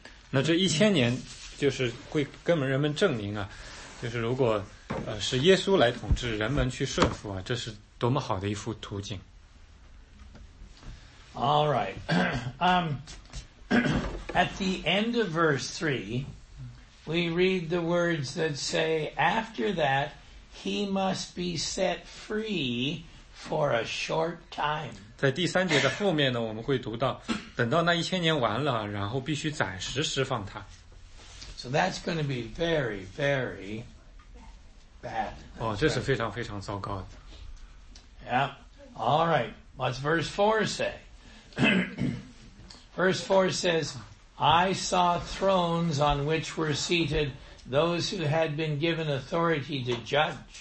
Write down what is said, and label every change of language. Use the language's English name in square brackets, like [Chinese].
[Chinese] 那这一千年就是会跟人们证明啊，就是如果是耶稣来统治，人们去顺服啊，这是多么好的一幅图景。 [English] All right. At the end of verse 3, we read the words that say, after that, he must be set free for a short time. [Chinese] 在第三节的后面呢，我们会读到，等到那一千年完了，然后必须暂时释放他。 [English] So that's going to be very, very bad. [Chinese] 哦，这是非常非常糟糕的。 [English] Yeah. All right. What's verse 4 say? Verse 4 says, I saw thrones on which were seated those who had been given authority to judge.